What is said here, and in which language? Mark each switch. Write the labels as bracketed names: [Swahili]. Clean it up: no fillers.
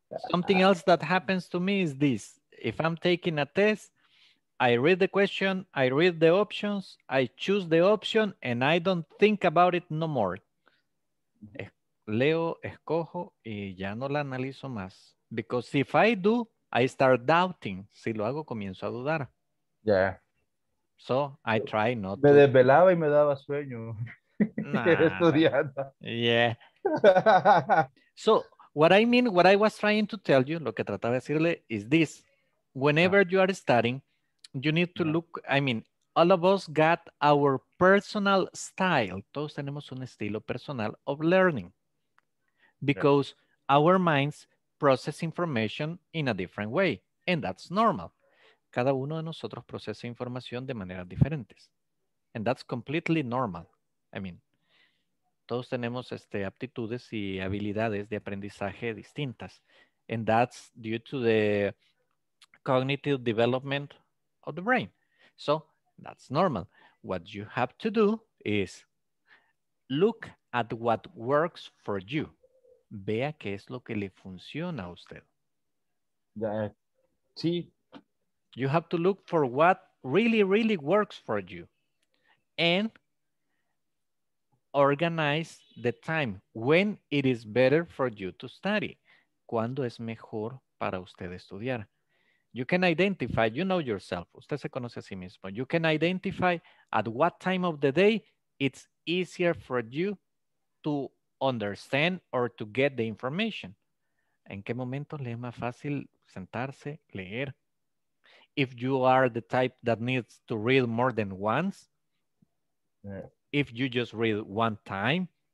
[English] Something else that happens to me is this. If I'm taking a test, I read the question, I read the options, I choose the option, and I don't think about it no more. [Spanish] Leo, escojo, y ya no la analizo más. [English] Because if I do, I start doubting. [Spanish] Si lo hago, comienzo a dudar. [English] Yeah. So, I try not [Spanish] to. Me desvelaba y me daba sueño. Estudiando. [English] Yeah. So, what I was trying to tell you, [Spanish] lo que trataba de decirle, [English] is this. Whenever you are studying, you need to look, I mean, all of us got our personal style. [Spanish] Todos tenemos un estilo personal [English] of learning. Because our minds process information in a different way. And that's normal. [Spanish] Cada uno de nosotros procesa información de maneras diferentes. [English] And that's completely normal. I mean, [Spanish] todos tenemos aptitudes y habilidades de aprendizaje distintas. [English] And that's due to the cognitive development of the brain. So that's normal. What you have to do is look at what works for you. [Spanish] Vea qué es lo que le funciona a usted. Sí. [English] You have to look for what really, really works for you. And organize the time. When it is better for you to study. [Spanish] ¿Cuándo es mejor para usted estudiar? [English] You can identify, you know yourself, [Spanish] usted se conoce a sí mismo. [English] You can identify at what time of the day it's easier for you to understand or to get the information. [Spanish] ¿En qué momento le es más fácil sentarse, leer? [English] If you are the type that needs to read more than once, if you just read one time.